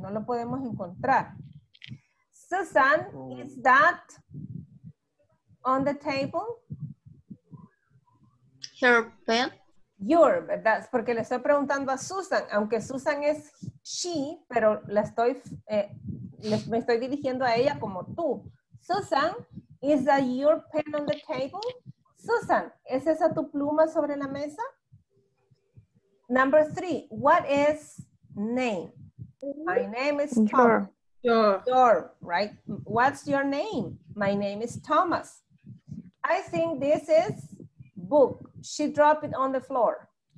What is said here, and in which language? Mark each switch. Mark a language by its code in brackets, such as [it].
[es] No lo podemos encontrar. [en] Susan, is that on the table? Her pen. [es] Your, ¿verdad? Porque le estoy preguntando a Susan, aunque Susan es she, pero la estoy, me estoy dirigiendo a ella como tú. [en] Susan, is that your pen on the table? [es] Susan, ¿es esa tu pluma sobre la mesa? [en] Number three, what is name? My name is Thomas. Your, right? What's your name? My name is Thomas. I think this is book. She dropped it on the floor.